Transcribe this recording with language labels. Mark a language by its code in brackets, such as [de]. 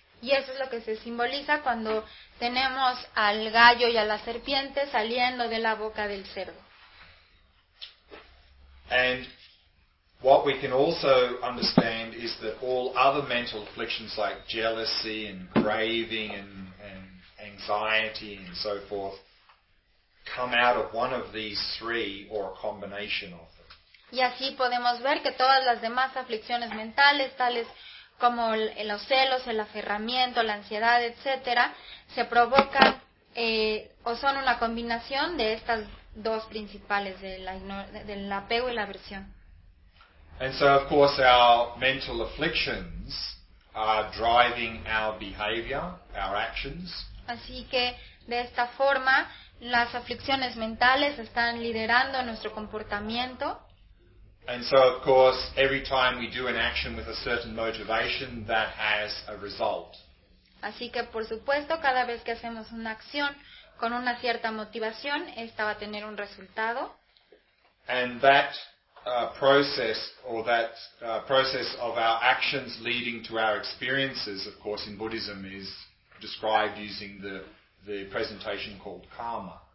[es] Y eso es lo que se simboliza cuando tenemos al gallo y a la serpiente saliendo de la boca del cerdo. [en] And what we can also understand is that all other mental afflictions like jealousy and craving and anxiety and so forth come out of one of these three or a combination of them. [es] Y así podemos ver que todas las demás aflicciones mentales, tales como los celos, el aferramiento, la ansiedad, etcétera, se provocan o son una combinación de estas dos principales, del apego y la aversión. [en] And so, of course, our mental afflictions are driving our behavior, our actions. [es] Así que, de esta forma, las aflicciones mentales están liderando nuestro comportamiento. [en] And so, of course, every time we do an action with a certain motivation, that has a result. [es] Así que, por supuesto, cada vez que hacemos una acción con una cierta motivación, esta va a tener un resultado. [en] And that process of our actions leading to our experiences, of course, in Buddhism is described using the presentation called karma.